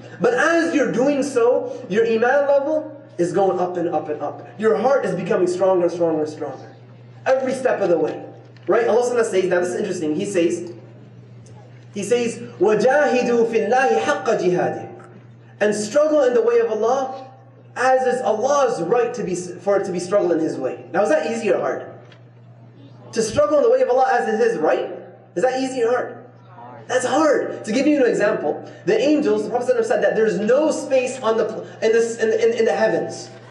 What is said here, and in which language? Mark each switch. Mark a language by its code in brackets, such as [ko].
[en] But as you're doing so, your iman level is going up and up and up. Your heart is becoming stronger and stronger and stronger. Every step of the way. Right? Allah SWT says, now this is interesting. He says, [ar] وَجَاهِدُوا فِي اللَّهِ حَقَّ جِهَادِهِ. [en] And struggle in the way of Allah as is Allah's right to be for it to be struggled in His way. Now is that easy or hard? To struggle in the way of Allah as is His right? Is that easy or hard? That's hard. To give you an example, the angels, the Prophet said that there's no space on the in the heavens.